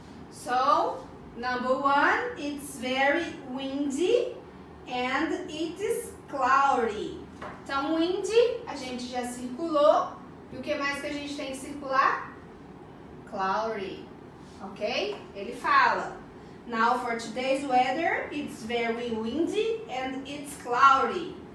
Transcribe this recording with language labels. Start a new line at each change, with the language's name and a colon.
English: So, number 1, it's very windy and it is cloudy.
Portuguese: Então, windy, a gente já circulou. E o que mais que a gente tem que circular? Cloudy. Ok? Ele fala.
English: Now for today's weather, it's very windy and it's cloudy.